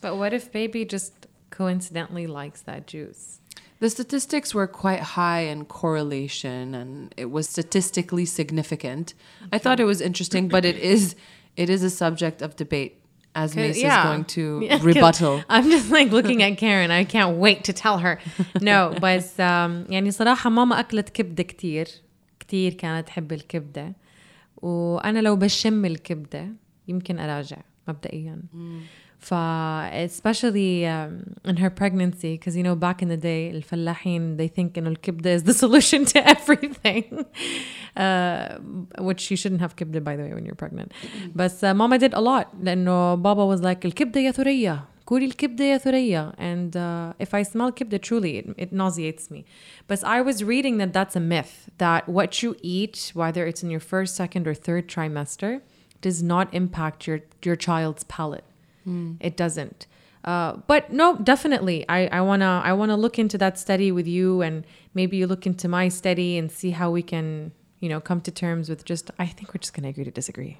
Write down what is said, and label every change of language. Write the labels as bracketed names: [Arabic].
[English] But what if baby just coincidentally likes that juice? The statistics were quite high in correlation, and it was statistically significant. Okay. I thought it was interesting, but it is a subject of debate, as Mace is going to rebuttal. I'm just like looking at Karen. I can't wait to tell her. No, but [Arabic] يعني صراحة ماما أكلت كبدة كتير كتير كانت تحب الكبدة وأنا لو بشم الكبدة يمكن أراجع مبدئياً. [English] Especially in her pregnancy, because, you know, back in the day, [Arabic] الفلاحين, [English] they think, you know, الكبدة is the solution to everything, which you shouldn't have كبدة, by the way, when you're pregnant. But mama did a lot, [Arabic] لأنه بابا [English] was like, [Arabic] الكبدة يا ثريا, كولي الكبدة يا ثريا. [English] And if I smell كبدة, truly, it nauseates me. But I was reading that that's a myth, that what you eat, whether it's in your first, second, or third trimester, does not impact your child's palate. It doesn't. But no, definitely. I wanna look into that study with you, and maybe you look into my study and see how we can, you know, come to terms with just, I think we're just going to agree to disagree.